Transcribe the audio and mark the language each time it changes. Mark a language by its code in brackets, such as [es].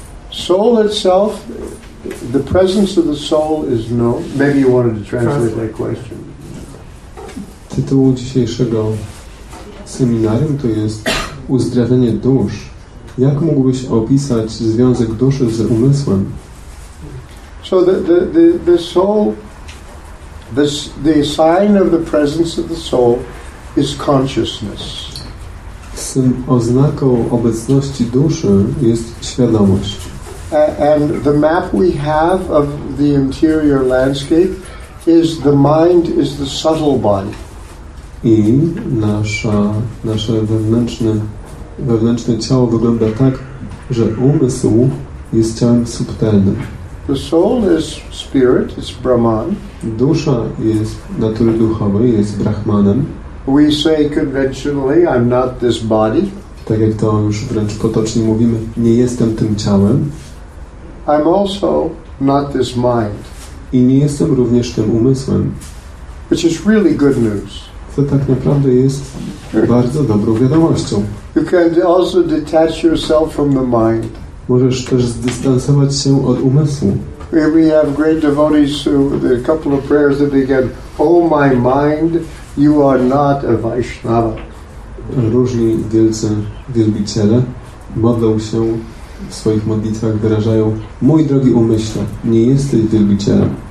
[en] The soul itself, the presence of the soul is known. Maybe you wanted to translate that question. [pl] Tytuł dzisiejszego seminarium to jest uzdrawianie dusz. Jak mógłbyś opisać związek duszy z umysłem? [en] So the soul, the sign of the presence of the soul is consciousness. [pl] Oznaką obecności duszy jest świadomość. [en] And the map we have of the interior landscape is the mind is the subtle body. [pl] I nasze wewnętrzne ciało wygląda tak, że umysł jest ciałem subtelnym. [en] The soul is spirit, it's Brahman. [pl] Dusza jest natury duchowej, jest Brahmanem. [en] We say conventionally, I'm not this body. [pl] Tak jak to już wręcz potocznie mówimy, nie jestem tym ciałem. [en] I'm also not this mind. [pl] I nie jestem również tym umysłem. [en] Which is really good news. [pl] To tak naprawdę jest bardzo dobrą wiadomością. [en] You can also detach yourself from the mind. [pl] Możesz też zdystansować się od umysłu. [en] We have great devotees who a couple of prayers that begin, "Oh my mind, you are not a Vaishnava." [pl] Różni wielcy wielbiciele modlą się w swoich modlitwach, wyrażają: "Mój drogi umyśle, nie jesteś wielbicielem."